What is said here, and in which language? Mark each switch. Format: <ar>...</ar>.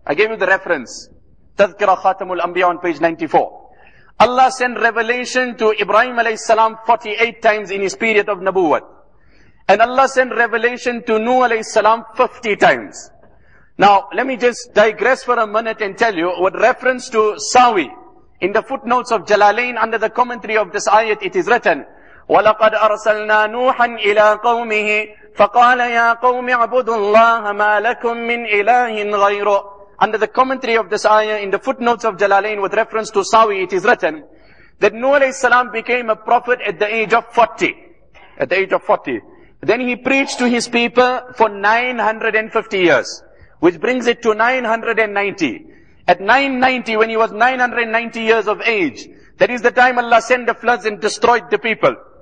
<en>I gave you the reference. Tadhkira Khatamul Anbiya on page 94. Allah sent revelation to Ibrahim alayhi salam 48 times in his period of Nabuwat. And Allah sent revelation to Nuh alayhi salam 50 times. Now, let me just digress for a minute and tell you what reference to Sawi. In the footnotes of Jalalain, under the commentary of this ayat, it is written,</en> <ar>وَلَقَدْ أَرْسَلْنَا نُوحًا إِلَىٰ قَوْمِهِ فَقَالَ يَا قَوْمِ عَبُدُ اللَّهَ مَا لَكُم مِّنْ إِلَٰهٍ غَيْرُهُ.</ar> <en>Under the commentary of this ayat, in the footnotes of Jalalain, with reference to Sawi, it is written that Nuh alayhi salam became a prophet at the age of 40. At the age of 40. Then he preached to his people for 950 years. which brings it to 990. At 990, when he was 990 years of age, that is the time Allah sent the floods and destroyed the people.</en>